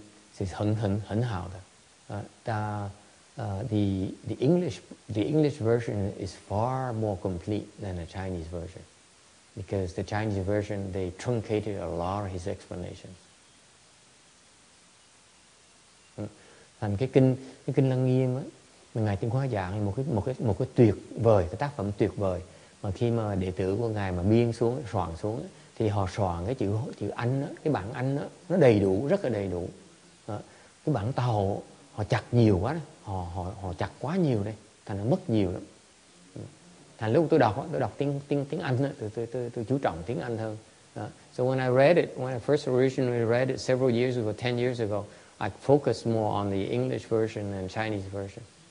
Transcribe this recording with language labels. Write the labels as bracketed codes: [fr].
[zh] 我好像是想，那次我不记得，因为是英文的，宣化上人的所讲的楞严经是很好的，但。 [en] The English version is far more complete than the Chinese version, because the Chinese version, they truncated a lot of his explanations. [vi] Thành cái kinh Lăng Nghiêm á, ngài Tiếng Hóa Giảng là một cái tuyệt vời, cái tác phẩm tuyệt vời. Mà khi mà đệ tử của ngài mà biên xuống, soạn xuống, thì họ soạn cái chữ Anh á, cái bản Anh á, nó đầy đủ, rất là đầy đủ. Cái bản Tàu họ chặt nhiều quá đó. Họ chặt quá nhiều đây, thành nó mất nhiều lắm. Thành lúc tôi đọc tiếng Anh, tôi chú trọng tiếng Anh hơn. [en] So when I read it, when I first originally read it several years ago, 10 years ago, I focused more on the English version than Chinese version.